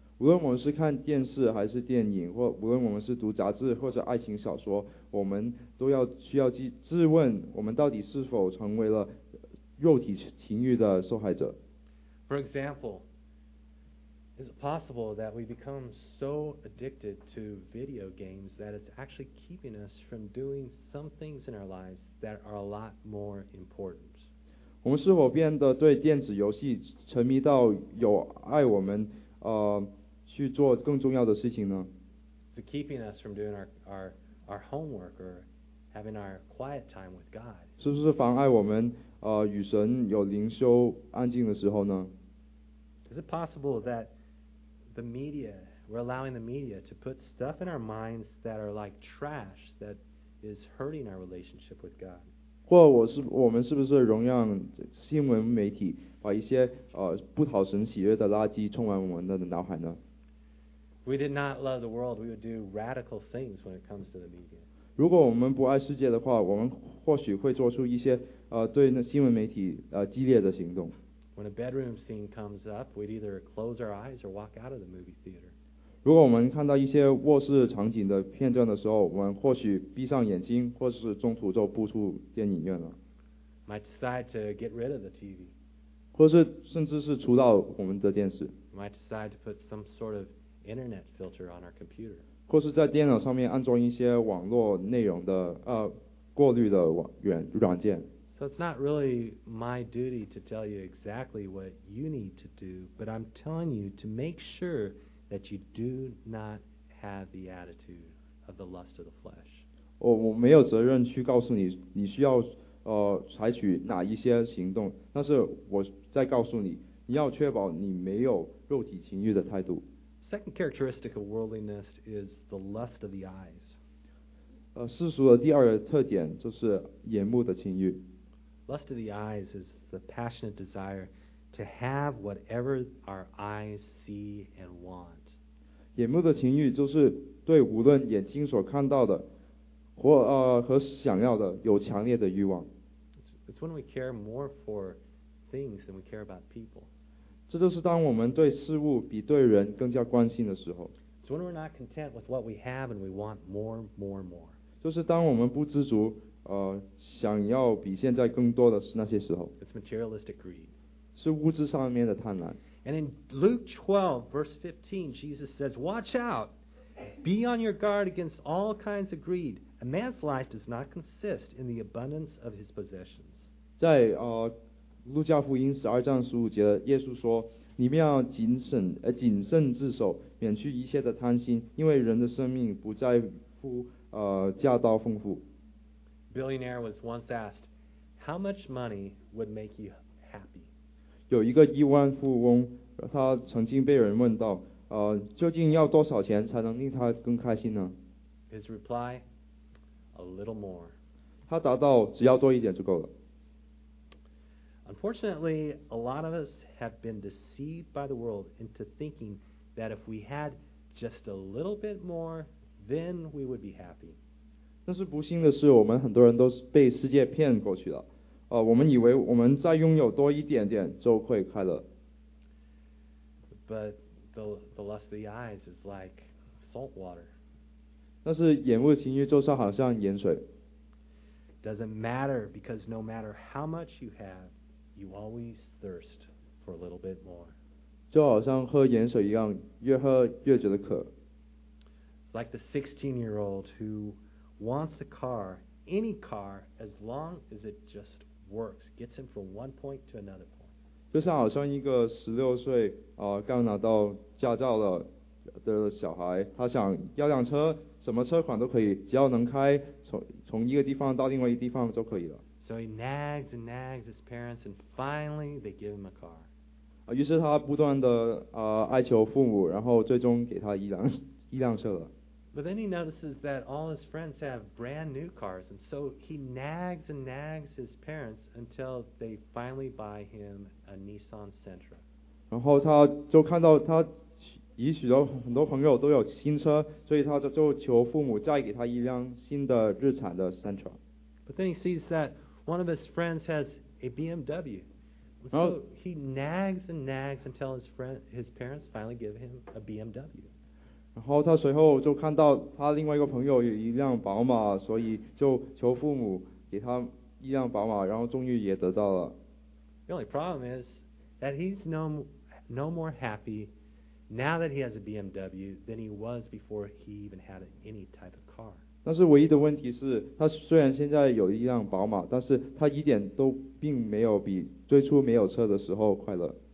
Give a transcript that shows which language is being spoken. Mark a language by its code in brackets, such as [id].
[zh] 无论我们是看电视还是电影，或无论我们是读杂志或者爱情小说，我们都要需要自问，我们到底是否成为了肉体情欲的受害者。 [en] For example, is it possible that we become so addicted to video games that it's actually keeping us from doing some things in our lives that are a lot more important? [zh] 我们是否变得对电子游戏沉迷到有碍我们去做更重要的事情呢？ [en] Is it keeping us from doing our homework or having our quiet time with God? [zh] 是不是妨碍我们与神有灵修安静的时候呢？ [en] Is it possible that the media, we're allowing the media to put stuff in our minds that are like trash that is hurting our relationship with God? [zh] 或我们是不是容让新闻媒体把一些不讨神喜悦的垃圾充满我们的脑海呢？ [en] If we did not love the world, we would do radical things when it comes to the media. [zh] 如果我们不爱世界的话，我们或许会做出一些对那新闻媒体激烈的行动。 [en] When a bedroom scene comes up, we'd either close our eyes or walk out of the movie theater. [zh] 如果我们看到一些卧室场景的片段的时候，我们或许闭上眼睛，或是中途就步出电影院了。 [en] Might decide to get rid of the TV. [zh] 或是甚至是除掉我们的电视。 [en] Might decide to put some sort of internet filter on our computer. [zh] 或是在电脑上面安装一些网络内容的过滤的软件。 [en] So it's not really my duty to tell you exactly what you need to do, but I'm telling you to make sure that you do not have the attitude of the lust of the flesh. [zh] 我没有责任去告诉你你需要采取哪一些行动，但是我在告诉你，你要确保你没有肉体情欲的态度。 [en] Second characteristic of worldliness is the lust of the eyes. [zh] 世俗的第二个特点就是眼目的情欲。 [en] Lust of the eyes is the passionate desire to have whatever our eyes see and want. [zh] 眼目的情欲就是对无论眼睛所看到的或和想要的有强烈的欲望。 [en] It's when we care more for things than we care about people. [zh] 这就是当我们对事物比对人更加关心的时候。 [en] It's when we're not content with what we have and we want more, more, more. [zh] 就是当我们不知足想要比现在更多的是那些时候。 [en] It's materialistic greed. [zh] 是物质上面的贪婪。 [en] And in Luke 12, verse 15, Jesus says, Watch out! Be on your guard against all kinds of greed. A man's life does not consist in the abundance of his possessions. [zh] 在路加福音十二章十五节，耶稣说，你们要谨慎自守，免去一切的贪心，因为人的生命不在乎价刀丰富。 [en] Billionaire was once asked, "How much money would make you happy?" [zh] 有一个亿万富翁，他曾经被人问到，究竟要多少钱才能令他更开心呢？ [en] His reply, "A little more." [zh] 他答道，只要多一点就够了。 [en] Unfortunately, a lot of us have been deceived by the world into thinking that if we had just a little bit more, then we would be happy. [zh] 但是不幸的是，我们很多人都是被世界骗过去了。我们以为我们再拥有多一点点就会快乐。 [en] But the lust of the eyes is like salt water. [zh] 但是眼目的情欲就是好像盐水。 [en] Doesn't matter because no matter how much you have, you always thirst for a little bit more. [zh] 就好像喝盐水一样，越喝越觉得渴。 [en] It's like the 16-year-old who. Wants a car, any car, as long as it just works, gets him from one point to another point. [zh] 就像好像一个十六岁刚拿到驾照了，的小孩，他想要辆车，什么车款都可以，只要能开 从一个地方到另外一个地方就可以了。 [en] So he nags and nags his parents, and finally they give him a car. [zh] 于是他不断的哀求父母，然后最终给他一辆车了。 [en] But then he notices that all his friends have brand new cars, and so he nags and nags his parents until they finally buy him a Nissan Sentra. [zh] 然后他就看到他以许多很多朋友都有新车，所以他就求父母再给他一辆新的日产的 Sentra。 [en] But then he sees that one of his friends has a BMW. So he nags and nags until his parents finally give him a BMW. [zh] 然后他随后就看到他另外一个朋友有一辆宝马，所以就求父母给他一辆宝马，然后终于也得到了。 [en] The only problem is that he's no more happy now that he has a BMW than he was before he even had any type of car. [zh] 但是唯一的问题是，他虽然现在有一辆宝马，但是他一点都并没有比最初没有车的时候快乐。